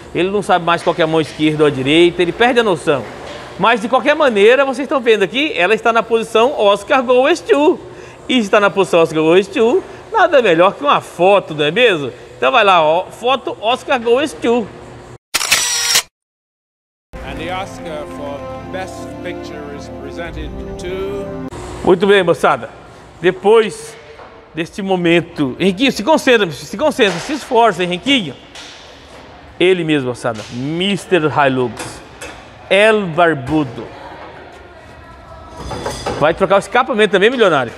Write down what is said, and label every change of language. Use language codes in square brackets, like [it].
[pt] Ele não sabe mais qual que é a mão esquerda ou a direita. Ele perde a noção. Mas de qualquer maneira, vocês estão vendo aqui, ela está na posição Oscar Goes To. E está na posição Oscar Goes To, nada melhor que uma foto, não é mesmo? Então vai lá, ó, foto Oscar Goes To. [en] And the Oscar for Best Picture is presented to... [pt] Muito bem, moçada. Depois deste momento, Henriquinho, se concentra, se esforça, Henriquinho. Ele mesmo, moçada, Mr. Hilux, El Barbudo. Vai trocar o escapamento também, milionário?